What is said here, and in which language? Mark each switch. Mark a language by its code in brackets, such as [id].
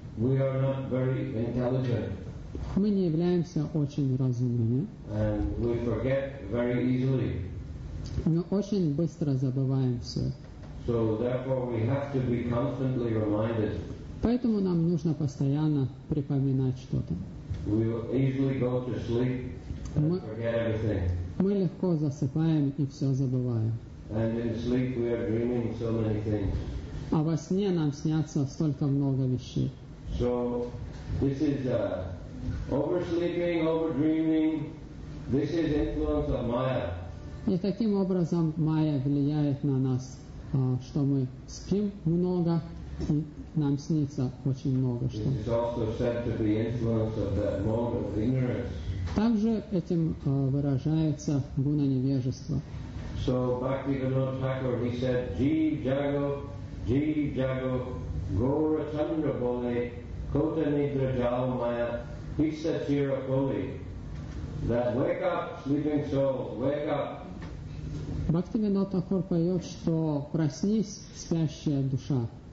[en] We are not very intelligent. [ru] Мы не являемся очень разумными. [en] And we forget very easily. [ru] Мы очень быстро забываем все. [en] So therefore we have to be constantly reminded. [ru] Поэтому нам нужно постоянно припоминать что-то. [en] We will easily go to sleep and forget everything. [ru] Мы легко засыпаем и все забываем. [en] And in sleep we are dreaming so many things. [ru] А во сне нам снятся столько много вещей. [en] So this is oversleeping, overdreaming, this is influence of Maya. [ru] И таким образом Майя влияет на нас, что мы спим много, и нам снится очень много что. [en] This is also said to be influence of that mode of ignorance. [ru] Также этим выражается гуна невежества. [en] So Bhaktivinoda Thakur, he said, [bn] Jeev Jago, Gora Chandra Bole, Kota Nidra Jao Maya. [en] He said, Chirapoli, that wake up, sleeping soul, wake up, [ru] Бхактивинода Тхакур поет, что проснись, спящая душа.